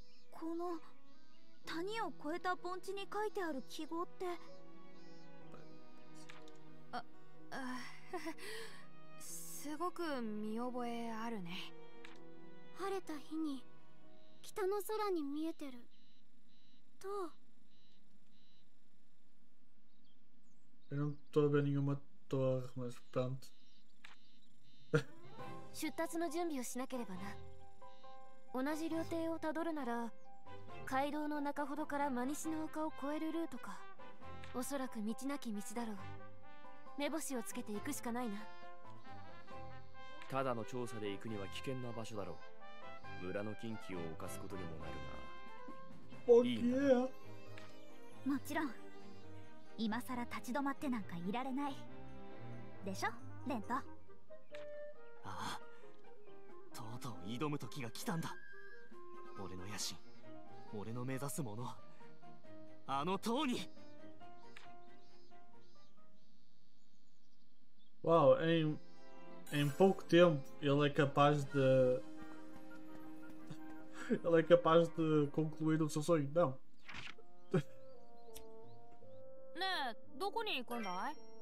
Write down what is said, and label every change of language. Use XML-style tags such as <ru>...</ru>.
<ja>この谷を越えた盆地に書いてある記号って。すごく見覚えあるね。晴れた日に北の空に見えてる。と。</ja> <pt>Eu não estou vendo nenhuma torre, mas pronto.</pt> <ja>出立の準備をしなければな。同じ旅程をたどるなら街道の中ほどから真西の丘を越えるルートか。おそらく道なき道だろう。目星をつけて行くしかないな。ただの調査で行くには危険な場所だろう。村の禁忌を犯すことにもなるな。オッケー。もちろん今さら立ち止まってなんかいられないでしょ。レンタ。ああ、とうとう挑む時が来たんだ。俺の野心、俺の目指すもの、あの塔に。</ja> <pt>Uau, em pouco tempo ele é capaz de. Ele é capaz de concluir o seu sonho, não?</pt> <ja>Né, dokuni ikundai?</ja>